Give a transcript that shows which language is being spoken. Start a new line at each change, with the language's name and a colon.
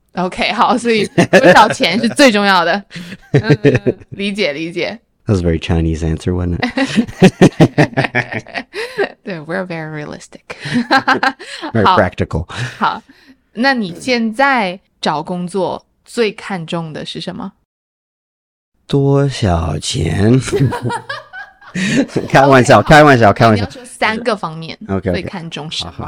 Chinese: OK, 好，所以多少钱是最重要的。理解。
English: That was a very Chinese answer, wasn't it?
Chinese: 对
English: ,we're very realistic. Very practical.
Chinese: 好，那你现在找工作最看重的是什么？多少钱？开玩笑。你要说三个方面。
English: Okay.
Chinese: 最看重是什么？